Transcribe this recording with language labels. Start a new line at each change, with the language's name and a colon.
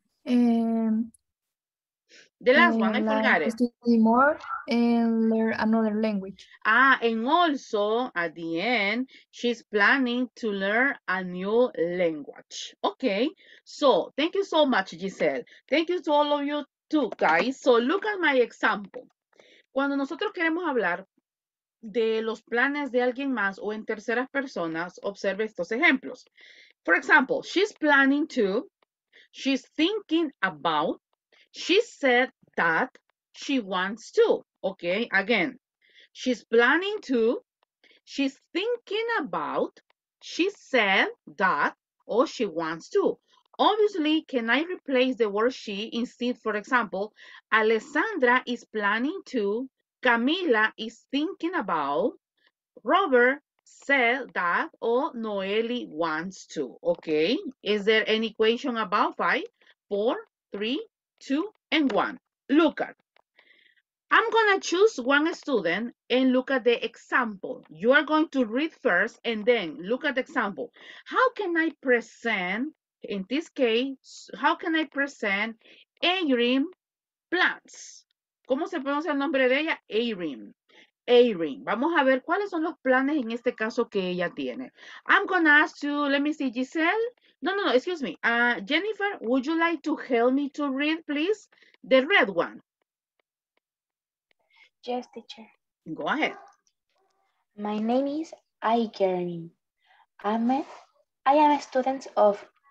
English: The last one, I forgot it. Study more and learn another language. Ah, and also at the end, she's planning to learn a new language. Okay, so thank you so much, Giselle. Thank you to all of you too, guys. So look at my example.
Spanish: Cuando nosotros queremos hablar de los planes de alguien más o en terceras personas, observe estos ejemplos.
English: For example, she's planning to. She's thinking about, she said that she wants to, okay? Again, she's planning to, she's thinking about, she said that, or she wants to. Obviously, can I replace the word she instead? For example, Alessandra is planning to, Camila is thinking about, Robert said that, or Noeli wants to. Okay, is there any question about 5, 4, 3, 2, and 1? Look at, I'm gonna choose one student and look at the example. You are going to read first and then look at the example. How can I present, in this case, how can I present Erin plants?
Spanish: ¿Cómo se pronuncia el nombre de ella? Erin. Erin, vamos a ver cuáles son los planes en este caso que ella tiene.
English: I'm gonna ask you, let me see, Giselle. No, excuse me. Jennifer, would you like to help me to read, please? The red one. Yes, teacher. Go ahead. My name is Erin. I am a student of